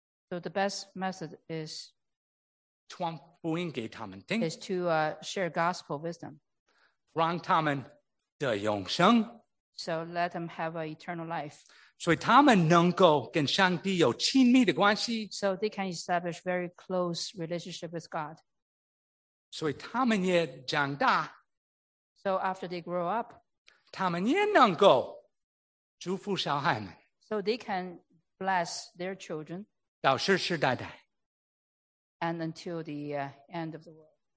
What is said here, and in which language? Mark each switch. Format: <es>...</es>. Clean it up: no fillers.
<en>So the best method is</en> <zh>传福音给他们听</zh> <en>is to share gospel with them</en> <zh>让他们得永生</zh> <en>So let them have an eternal life</en> <zh>所以他们能够跟上帝有亲密的关系</zh> <en>So they can establish very close relationship with God</en> <zh>所以他们也长大</zh> <en>So after they grow up</en> <zh>他们也能够祝福小孩们</zh> <en>so they can bless their children</en> <zh>到世世代代</zh> <en>and until the end of the world.</en>